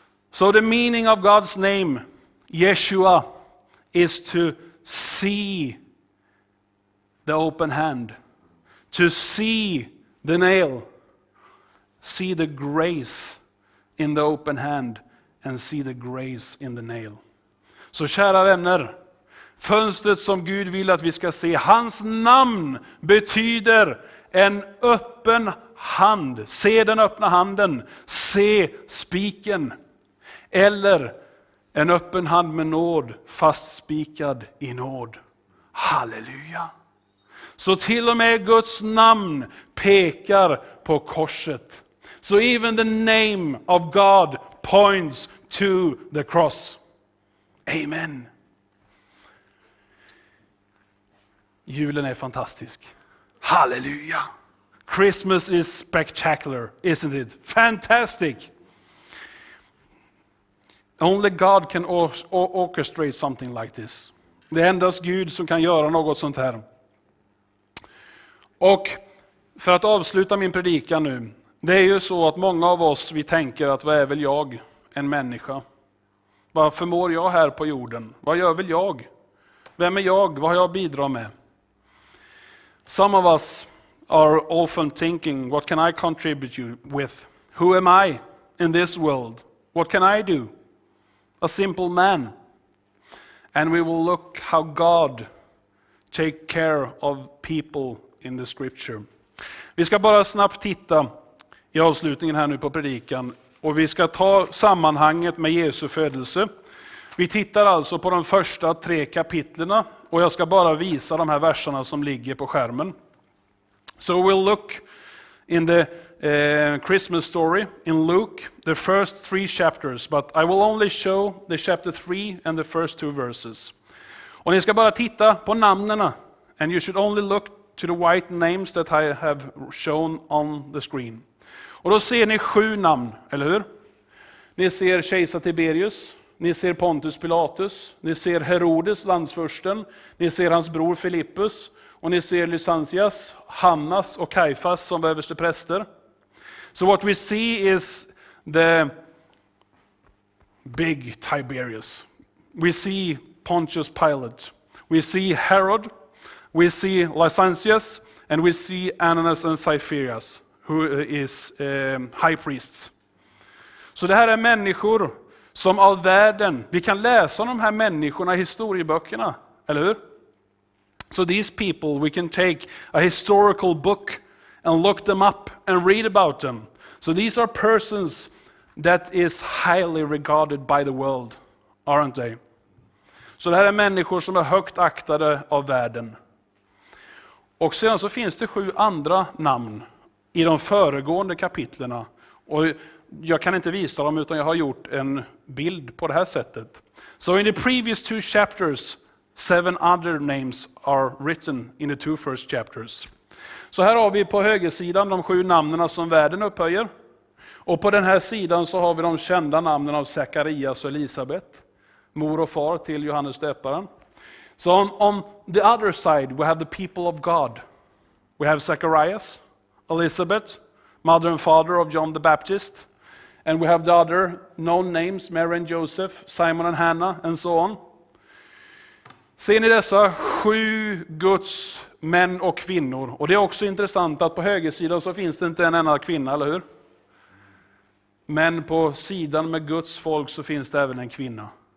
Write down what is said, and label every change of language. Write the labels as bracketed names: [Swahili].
[English] So the meaning of God's name, Yeshua, is to see the open hand, to see the nail, see the grace in the open hand, and see the grace in the nail. [Swedish] Så kära vänner, fönstret som Gud vill att vi ska se, hans namn betyder en öppen hand. Se den öppna handen, se spiken. Eller en öppen hand med nåd, fastspikad i nåd. Halleluja! Så till och med Guds namn pekar på korset. [English] So even the name of God points to the cross. Amen. [Swedish] Julen är fantastisk. [English] Halleluja. Christmas is spectacular, isn't it? Fantastic. Only God can orchestrate something like this. [Swedish] Det är endast Gud som kan göra något sånt här. Och för att avsluta min predikan nu. Det är ju så att många av oss, vi tänker att vad är väl jag, en människa? Vad förmår jag här på jorden? Vad gör väl jag? Vem är jag? Vad har jag bidrar med? [English] Some of us are often thinking, what can I contribute you with? Who am I in this world? What can I do? A simple man. And we will look how God take care of people in the scripture. [Swedish] Vi ska bara snabbt titta i avslutningen här nu på predikan. Och vi ska ta sammanhanget med Jesu födelse. Vi tittar alltså på de första tre kapitlerna. Och jag ska bara visa de här verserna som ligger på skärmen. [English] So we'll look in the Christmas story in Luke, the first three chapters. But I will only show the chapter 3 and the first two verses. [Swedish] Och ni ska bara titta på namnena. [English] And you should only look to the white names that I have shown on the screen. [Swedish] Och då ser ni 7 namn, eller hur? Ni ser kejsar Tiberius, ni ser Pontius Pilatus, ni ser Herodes, landsförsten, ni ser hans bror Filippus, och ni ser Lysanias, Hannas och Kaifas som överste präster. [English] So what we see is the big Tiberius. We see Pontius Pilate. We see Herod. We see Lysanias. And we see Ananias and Caiaphas, who is high priests. [Swedish] Så det här är människor som av världen, vi kan läsa om de här människorna i historieböckerna, eller hur? [English] So these people, we can take a historical book and look them up and read about them. So these are persons that is highly regarded by the world, aren't they? [Swedish] Så det här är människor som är högt aktade av världen. Och sedan så finns det 7 andra namn i de föregående kapitlerna. Och jag kan inte visa dem utan jag har gjort en bild på det här sättet. [English] So in the previous 2 chapters, 7 other names are written in the 2 first chapters. [Swedish] Så här har vi på högersidan de 7 namnen som världen upphöjer. Och på den här sidan så har vi de kända namnen av Zacharias och Elisabet. Mor och far till Johannes Döparen. [English] So on the other side we have the people of God. We have Zacharias, Elizabeth, mother and father of John the Baptist, and we have the other known names, Mary and Joseph, Simon and Hannah, and so on. [Swedish] Ser ni dessa 7 Guds män och kvinnor? Och det är också intressant att på högersidan så finns det inte en enda kvinna, eller hur? Men på sidan med Guds folk så finns det även en kvinna.